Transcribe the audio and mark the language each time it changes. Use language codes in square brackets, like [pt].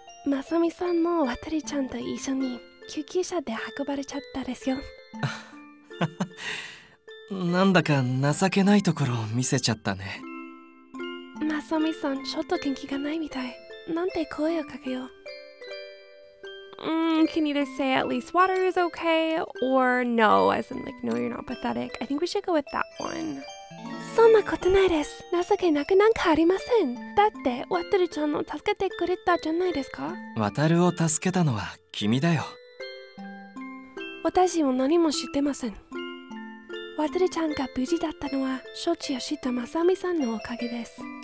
[ja] マサミさんも渡りちゃんと一緒に救急車で運ばれちゃったですよ。なんだか情けないところを見せちゃったね。マサミさん、ちょっと元気がないみたい。なんて声をかけよう。 [en] Can you just say at least water is okay? Or no, as in like, no, you're not pathetic. I think we should go with that one. [ja] そんなことないです。情けなくなんかありません。だって、ワタルちゃんを助けてくれたじゃないですか？ワタルを助けたのは君だよ。私も何も知ってません。ワタルちゃんが無事だったのは、処置を知ったマサミさんのおかげです。